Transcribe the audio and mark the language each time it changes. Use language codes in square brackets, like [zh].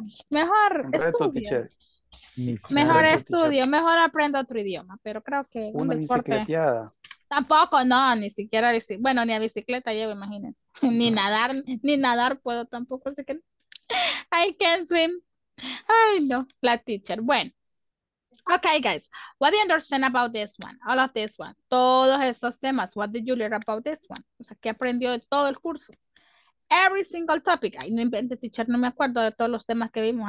[es] Mejor estudio. Mejor estudio, mejor aprendo otro idioma, pero creo que una no importa. Bicicleteada. Tampoco, no, ni siquiera, bueno, ni a bicicleta llevo, imagínense, ni nadar puedo tampoco, así que, [en] I can't swim, [es] ay no, la teacher, bueno. [en] Okay, guys, what do you understand about this one? All of this one. [es] Todos estos temas. [en] What did you learn about this one? [es] O sea, ¿qué aprendió de todo el curso? [en] Every single topic. [es] Ay, no invente, teacher, no me acuerdo de todos los temas que vimos.